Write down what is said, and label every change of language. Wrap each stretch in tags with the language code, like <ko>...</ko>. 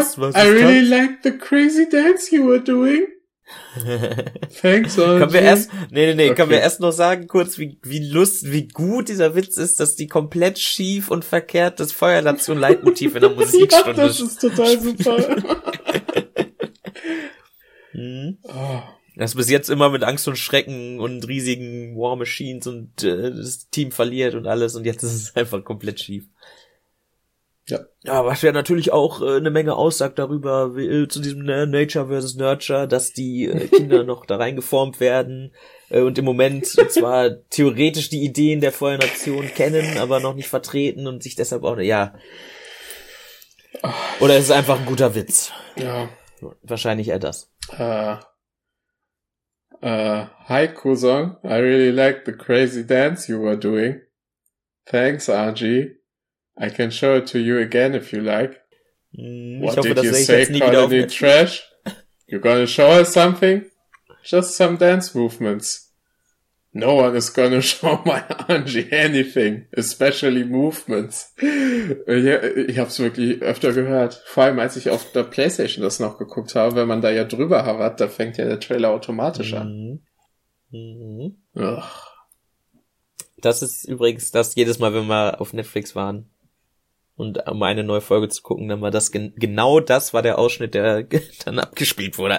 <en>I really like the crazy dance you were doing. Thanks, Angie.</en> <de>Können wir erst noch sagen, kurz, wie gut dieser Witz ist, dass die komplett schief und verkehrt das Feuernation-Leitmotiv in der Musikstunde. Das ist total super. Das bis jetzt immer mit Angst und Schrecken und riesigen War Machines und das Team verliert und alles und jetzt ist es einfach komplett schief. Ja. Ja, was ja natürlich auch eine Menge aussagt darüber, zu diesem Nature versus Nurture, dass die Kinder noch da reingeformt werden und im Moment zwar theoretisch die Ideen der Feuernation kennen, aber noch nicht vertreten und sich deshalb auch, ja. Oder ist es einfach ein guter Witz? Ja. Wahrscheinlich eher das.</de> <en>Hi, Cousin. I really like the crazy dance you were doing. Thanks, RG. I can show it to you again if you like. What did you say, Colony Trash? You're gonna show us something? Just some dance movements. No one is gonna show my Anji anything, especially movements.</en> <de>Ja, ich hab's wirklich öfter gehört. Vor allem, als ich auf der PlayStation das noch geguckt habe, wenn man da ja drüber hat, da fängt ja der Trailer automatisch an. Ach. Das ist übrigens das jedes Mal, wenn wir auf Netflix waren und um eine neue Folge zu gucken, dann war das genau das war der Ausschnitt, der dann abgespielt wurde.</de>